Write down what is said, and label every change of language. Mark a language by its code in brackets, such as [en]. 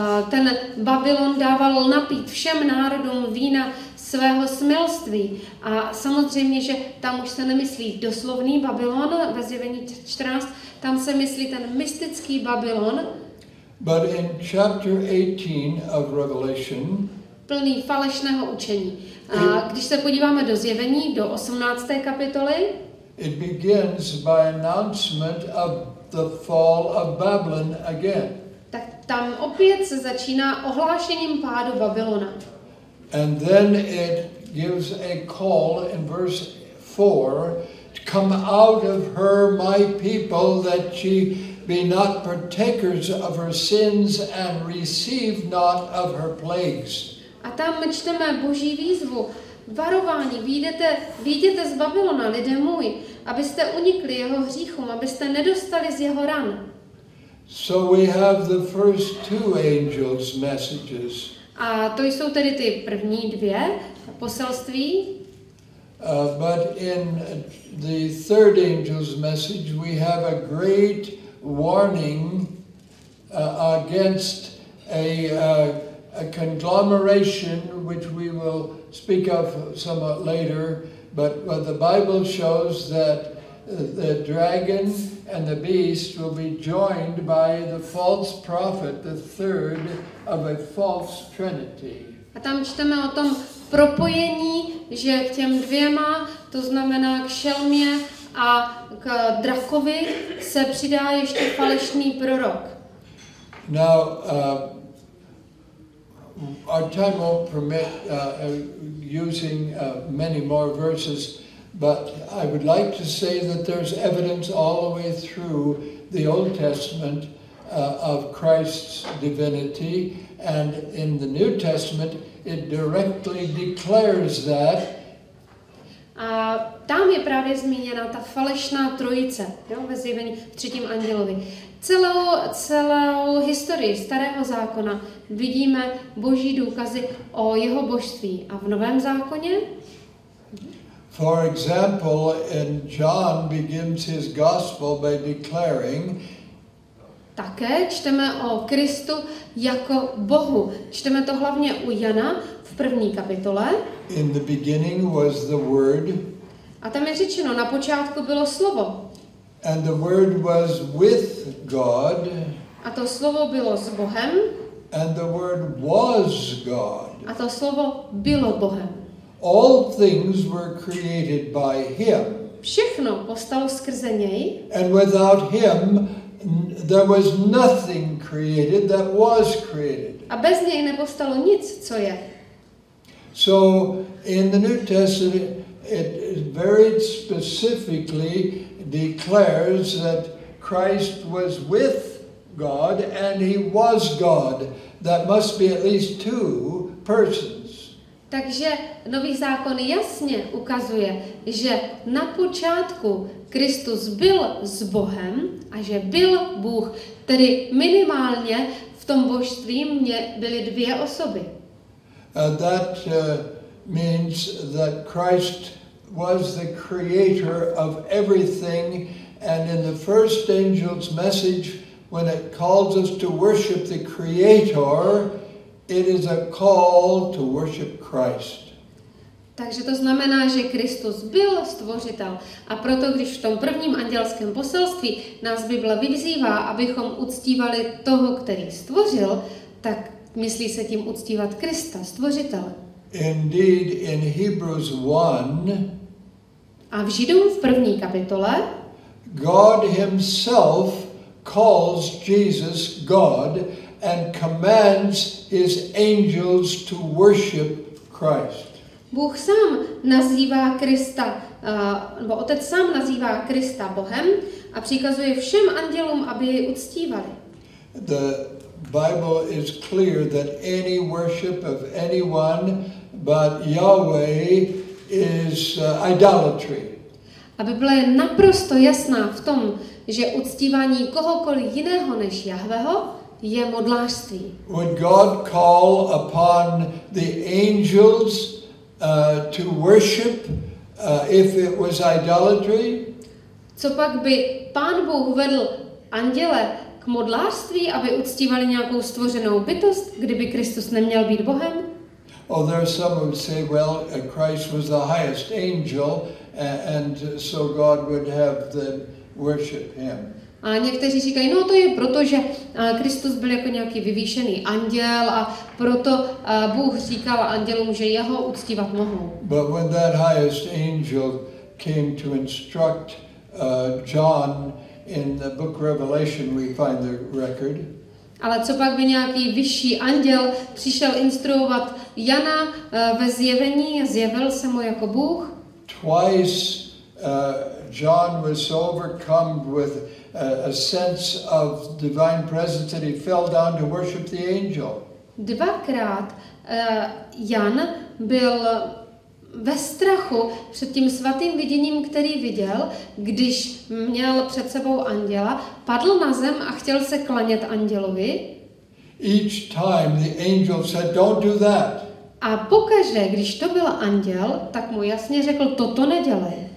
[cs] Ten Babylon dával napít všem národům vína svého smilství. A samozřejmě, že tam už se nemyslí doslovný Babylon ve zjevení 14, tam se myslí ten mystický Babylon. [en] But in chapter 18 of Revelation, [cs] plný falešného učení. A když se podíváme do zjevení, do 18. kapitoly, [en] it begins by announcement of the fall of Babylon again. [cs] Tak tam opět se začíná ohlášením pádu Babylona. [en] And then it gives a call in verse 4, come out of her, my people, that she be not partakers of her sins and receive not of her plagues. [cs] A tam čteme Boží výzvu, varování, vyjděte z Babylona, lidé můj, abyste unikli jeho hříchům, abyste nedostali z jeho ran. [en] So we have the first two angels' messages. [cs] A to jsou tedy ty první dvě poselství. [en] But in the third angel's message we have a great warning against a conglomeration which we will speak of somewhat later, but the Bible shows that the dragon and the beast will be joined by the false prophet, the third of a false trinity. [cs] A tam čteme o tom propojení, že k těm dvěma, to znamená k šelmě a k drakovi, se přidá ještě falešný prorok. [en] Now, our time won't permit using many more verses, but I would like to say that there's evidence all the way through the Old Testament of Christ's divinity, and in the New Testament it directly declares that. [cs] A tam je právě zmíněna ta falešná trojice, jo, ve zjevení v třetím andělovi. Celou historii starého zákona vidíme boží důkazy o jeho božství. A v novém zákoně? [en] For example, in John begins his gospel by declaring. [cs] Také čteme o Kristu jako Bohu. Čteme to hlavně u Jana v první kapitole. [en] In the beginning was the word. [cs] A tam je řečeno, na počátku bylo slovo. [en] And the word was with God. [cs] A to slovo bylo s Bohem. [en] And the word was God. [cs] A to slovo bylo Bohem. [en] All things were created by him. [cs] Všechno postalo skrze něj. [en] And without him there was nothing created that was created. [cs] A bez něj nepostalo nic, co je. [en] So in the New Testament it very specifically declares that Christ was with God and he was God. That must be at least two persons. [cs] Takže Nový zákon jasně ukazuje, že na počátku Kristus byl s Bohem a že byl Bůh, tedy minimálně v tom božství byly dvě osoby. [en] That means that Christ was the creator of everything, and in the first angel's message, when it calls us to worship the Creator, it is a call to worship Christ. [cs] Takže to znamená, že Kristus byl stvořitel. A proto, když v tom prvním andělském poselství nás Bible vyzývá, abychom uctívali toho, který stvořil, tak myslí se tím uctívat Krista, stvořitele. [en] Indeed, in Hebrews 1, [cs] a v Židům v první kapitole [en] God himself calls Jesus God and commands his angels to worship Christ. [cs] Bůh sám nazývá Krista, nebo Otec sám nazývá Krista Bohem a přikazuje všem andělům, aby jej uctívali. [en] The Bible is clear that any worship of anyone but Yahweh is idolatry. [cs] A Bible je naprosto jasná v tom, že uctívání kohokoliv jiného než Jahveho je modlářství. [en] Would God call upon the angels to worship if it was idolatry? [cs] Co pak by Pán Bůh vedl anděle k modlářství, aby uctívali nějakou stvořenou bytost, kdyby Kristus neměl být Bohem? [en] Oh, there are some who say, well, Christ was the highest angel, and so God would have them worship him. [cs] A někteří říkají, no to je proto, že Kristus byl jako nějaký vyvýšený anděl a proto Bůh říkal andělům, že jeho uctívat mohou. [en] But when that highest angel came to instruct John in the book Revelation, we find the record. [cs] Ale co pak by nějaký vyšší anděl přišel instruovat Jana ve zjevení a zjevil se mu jako Bůh? [en] Twice John was overcome with a sense of divine presence and he fell down to worship the angel. [cs] Dvakrát Jan byl ve strachu před tím svatým viděním, který viděl, když měl před sebou anděla, padl na zem a chtěl se klanět andělovi. [en] Each time the angel said, "Don't do that." [cs] A pokaždé, když to byl anděl, tak mu jasně řekl, toto nedělej.